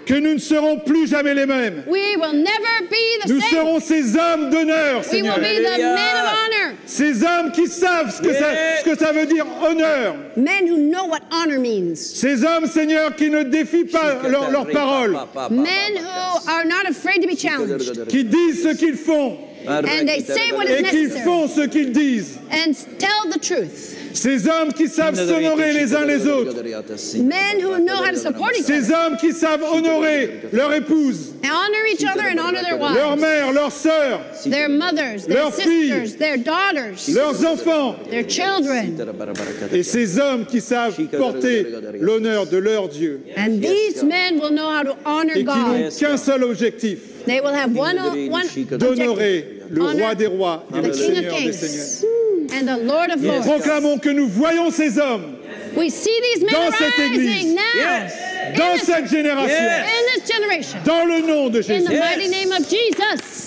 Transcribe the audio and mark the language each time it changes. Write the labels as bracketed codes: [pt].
[fr] que nous ne serons plus jamais les mêmes. [en] We will never be the [fr] nous [en] same. [fr] Serons ces hommes d'honneur, Seigneur. [en] We will be the men of honor. [fr] Ces hommes qui savent ce que ça veut dire, honneur. [en] Men who know what honor means. [fr] Ces hommes, Seigneur, qui ne défient pas leurs paroles. [en] Men who are not afraid to be challenged. [fr] Qui disent ce qu'ils font. [en] And they say what is necessary. [fr] Et qui font ce qu'ils disent. [en] And tell the truth. [fr] Ces hommes qui savent s'honorer les uns les autres. [en] Men who know how to support each other. [fr] Ces hommes qui savent honorer leur épouse. [en] And honor each other and honor their wives. [fr] Leur mère, leurs sœurs. [en] Their mothers, their sisters, their daughters. [fr] Leurs enfants. [en] Their children. [fr] Et ces hommes qui savent porter l'honneur de leur Dieu. [en] And these men will know how to honor God. [fr] Et qui n'ont qu'un seul objectif. [en] They will have one [fr] d'honorer le roi des rois et le seigneur des seigneurs. [en] And the Lord of Lords. [fr] Proclamons que nous voyons ces hommes [en] We see these men [fr] dans cette église, [en] now, [fr] yes. dans cette génération, [en] yes. in this generation, [fr] dans le nom de Jésus. [en] In the mighty name of Jesus.